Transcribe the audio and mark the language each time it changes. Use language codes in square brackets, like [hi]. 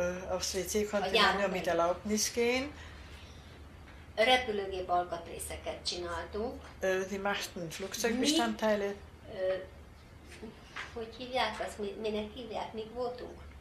[de] Aufs WC konnte man nur mit Erlaubnis gehen. [hu] Repülőgép alkatrészeket csináltunk. [de] Die machten Flugzeugbestandteile. [hu] Hogy hívják azt? Minek hívják? Mik voltunk?